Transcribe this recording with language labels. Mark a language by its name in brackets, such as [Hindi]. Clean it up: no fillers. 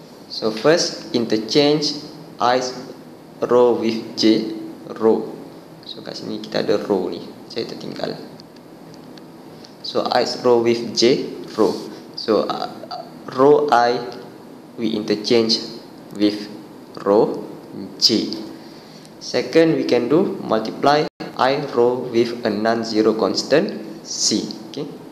[English] So first interchange I's row with J row. [Malay] So kat sini kita ada row ni, saya tertinggal. [English] So I's row with J row. So row I we interchange with row J. Second, we can do multiply I row with a non-zero constant C. Okay.